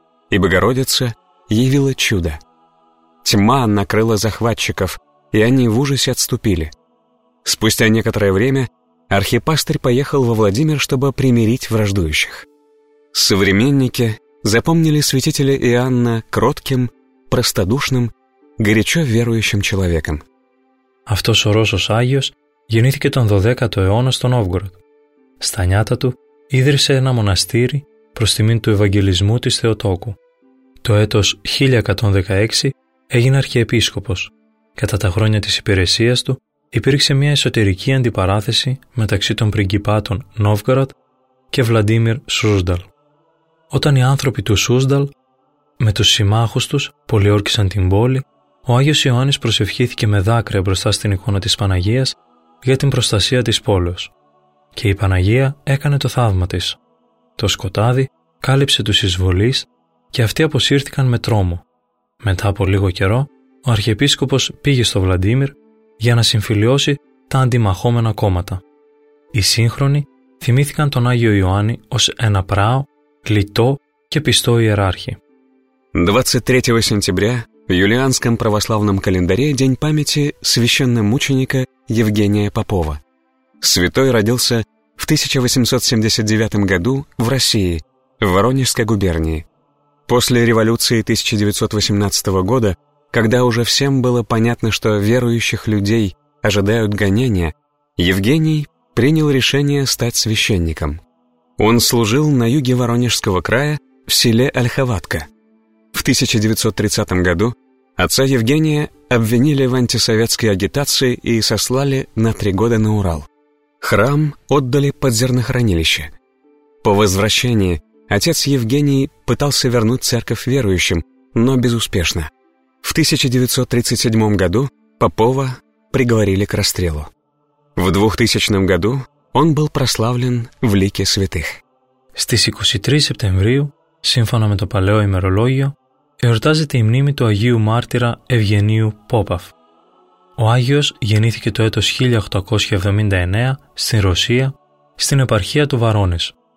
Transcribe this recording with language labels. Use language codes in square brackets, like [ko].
[ru] И Богородица явила чудо. Тьма накрыла захватчиков, и они в ужасе отступили. Спустя некоторое время архипастырь поехал во Владимир, чтобы примирить враждующих. Современники запомнили святителя Иоанна кротким, простодушным, горячо верующим человеком. [el] Αυτός ο Ρώσος Άγιος γεννήθηκε τον 12ο αιώνα στο Νόβγορο. Στα νιάτα του ίδρυσε ένα μοναστήρι προς τιμήν του Ευαγγελισμού της Θεοτόκου. Το έτος 1116 έγινε αρχιεπίσκοπος. Κατά τα χρόνια της υπηρεσίας του υπήρξε μια εσωτερική αντιπαράθεση μεταξύ των πριγκιπάτων Νόβγορο και Βλαντίμιρ Σούζνταλ. Όταν οι άνθρωποι του Σούζνταλ με τους συμμάχους τους πολιόρκησαν την πόλη, ο Άγιος Ιωάννης προσευχήθηκε με δάκρυα μπροστά στην εικόνα της Παναγίας για την προστασία της πόλεως. Και η Παναγία έκανε το θαύμα της. Το σκοτάδι κάλυψε τους εισβολείς και αυτοί αποσύρθηκαν με τρόμο. Μετά από λίγο καιρό, ο αρχιεπίσκοπος πήγε στο Βλαντίμιρ για να συμφιλειώσει τα αντιμαχόμενα κόμματα. Οι σύγχρονοι θυμήθηκαν τον Άγιο Ιωάννη ως ένα πράο, λιτό και πιστό ιεράρχη. [ru] 23 сентября в юлианском православном календаре день памяти священномученика Евгения Попова. Святой родился в 1879 году в России, в Воронежской губернии. После революции 1918 года, когда уже всем было понятно, что верующих людей ожидают гонения, Евгений принял решение стать священником. Он служил на юге Воронежского края в селе Ольховатка. В 1930 году отца Евгения обвинили в антисоветской агитации и сослали на 3 года на Урал. Храм отдали под зернохранилище. По возвращении отец Евгений пытался вернуть церковь верующим, но безуспешно. В 1937 году Попова приговорили к расстрелу. В 2000 году он был прославлен в лике святых. [el] Στις 23 Σεπτεμβρίου, σύμφωνα με το παλαιό ημερολόγιο, εορτάζεται η μνήμη του Αγίου Μάρτυρα Ευγενίου Πόπαφ. Ο Άγιος γεννήθηκε το έτος 1879 στην Ρωσία, στην επαρχία του Βαρόνης.